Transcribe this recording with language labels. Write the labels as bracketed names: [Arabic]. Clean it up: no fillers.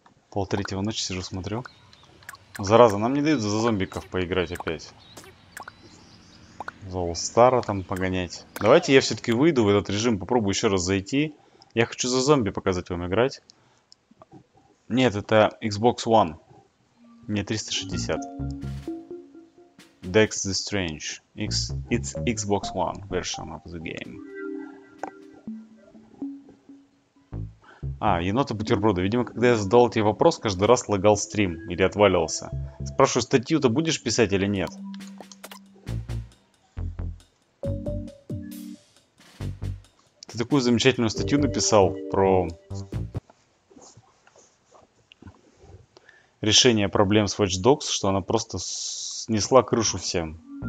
[Russian] Полтретьего ночи сижу, смотрю. Зараза, нам не дают за зомбиков поиграть опять. За All-Star там погонять. Давайте я все-таки выйду в этот режим, попробую еще раз зайти. Я хочу за зомби показать вам играть. Нет, это Xbox One. Не 360. Dex the Strange. [English] It's Xbox One version of the game. [Russian] А, енота бутерброда. Видимо, когда я задал тебе вопрос, каждый раз лагал стрим или отваливался. Спрашиваю, статью-то будешь писать или нет? Ты такую замечательную статью написал про решение проблем с Watch Dogs, что она просто снесла крышу всем.